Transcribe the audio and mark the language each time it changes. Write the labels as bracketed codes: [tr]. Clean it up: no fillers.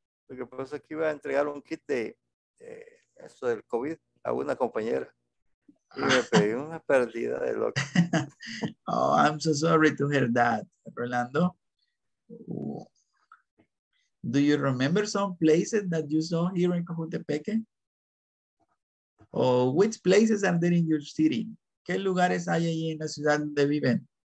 [es] Lo que pasa es que iba a entregar un kit de eso del COVID a una compañera y me pedí una pérdida de loco. [en] Oh, I'm so sorry to hear that, Rolando. Do you remember some places that you saw here in Cojutepeque? Oh, which places are there in your city? [es] ¿Qué lugares hay ahí en la ciudad donde viven?